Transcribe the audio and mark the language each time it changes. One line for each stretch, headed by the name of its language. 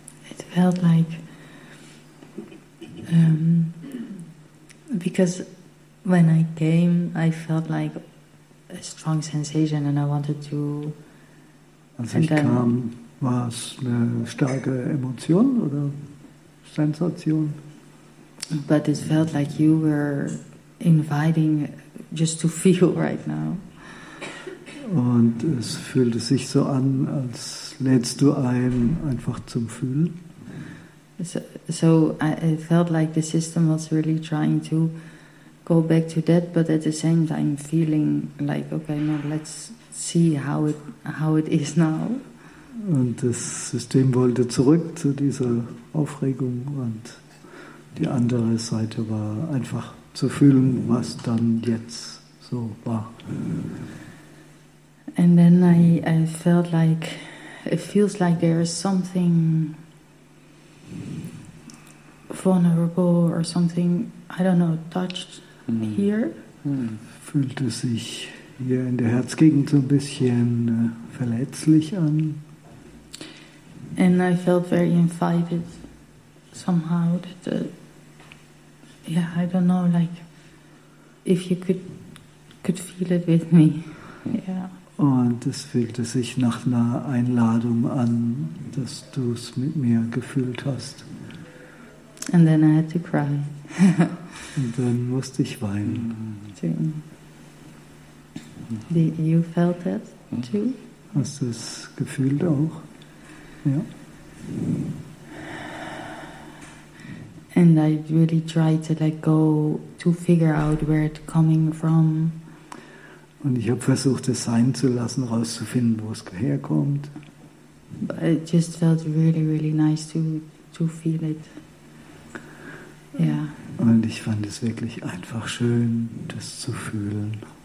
English: It felt like because when I came, I felt like a strong sensation, and I wanted to.
German: Als ich kam, war es eine starke Emotion oder Sensation?
English: But it felt like you were inviting just to feel right now.
German: Und es fühlte sich so an, als lädst du ein, einfach zum Fühlen.
English: So it felt like the system was really trying to go back to that, but at the same time feeling like, okay, now let's see how it is now.
German: Und das System wollte zurück zu dieser Aufregung und die andere Seite war einfach zu fühlen, was dann jetzt so war.
English: And then I felt like it feels like there is something vulnerable or something, I don't know, touched here.
German: Fühlte sich hier in der Herzgegend so ein bisschen verletzlich an.
English: And I felt very invited somehow I don't know, like if you could feel it with me.
German: Und es fühlte sich nach einer Einladung an, dass du es mit mir gefühlt hast.
English: And then I had to cry.
German: Und dann musste ich weinen.
English: You felt that too?
German: Hast du es gefühlt auch? Ja.
English: And I really tried to let go to figure out where it's coming from.
German: Und ich habe versucht, es sein zu lassen, rauszufinden, wo es herkommt.
English: But it just felt really, really nice to feel it. Yeah.
German: Und ich fand es wirklich einfach schön, das zu fühlen.